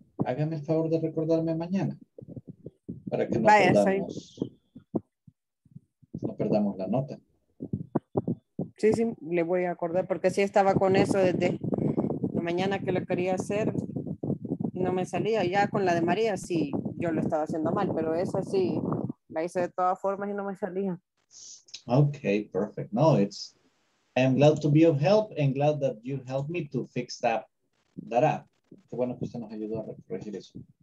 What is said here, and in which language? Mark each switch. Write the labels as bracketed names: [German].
[Spanish] Háganme el favor de recordarme mañana. Para que no perdamos la nota. Sí, sí, le voy a acordar. Porque sí estaba con eso desde... mañana que lo quería hacer no me salía, ya con la de María sí, yo lo estaba haciendo mal, pero esa sí, la hice de todas formas y no me salía. [English] Ok, perfect, no, it's I'm glad to be of help and glad that you helped me to fix that up. [Spanish] Qué bueno que usted nos ayudó a corregir eso.